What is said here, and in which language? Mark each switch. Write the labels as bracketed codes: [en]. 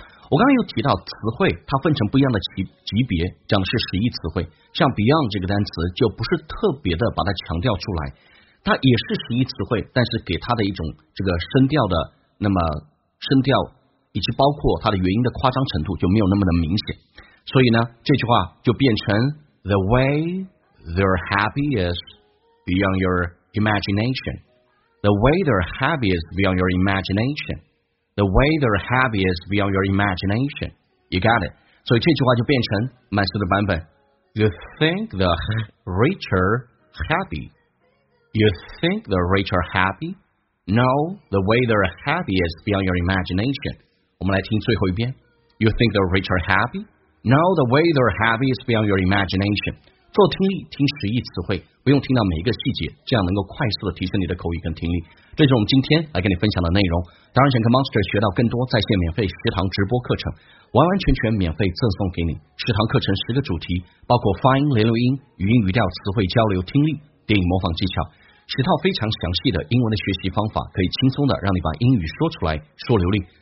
[zh] 我刚刚有提到词汇它分成不一样的级别，讲的是实义词汇，像 beyond 这个单词就不是特别的把它强调出来，它也是实义词汇，但是给它的一种这个声调的，那么声调以及包括它的元音的夸张程度就没有那么的明显，所以呢这句话就变成 [en] The way they're happy is beyond your imagination。 The way they're happy is beyond your imagination. The way they're happy is beyond your imagination. You got it. [zh] 所以这句话就变成慢速的版本。 [en] You think the rich are happy? You think the rich are happy? No, the way they're happy is beyond your imagination. [zh] 我们来听最后一遍。 [en] You think the rich are happy? No, the way they're happy is beyond your imagination. [zh] 做听力听实义词汇，不用听到每一个细节，这样能够快速的提升你的口语跟听力。这是我们今天来跟你分享的内容。当然想跟 Monster 学到更多在线免费食堂直播课程，完完全全免费赠送给你。食堂课程十个主题，包括发音、连留音、语音语调、词汇交流、听力、电影模仿技巧，十套非常详细的英文的学习方法，可以轻松的让你把英语说出来说流利。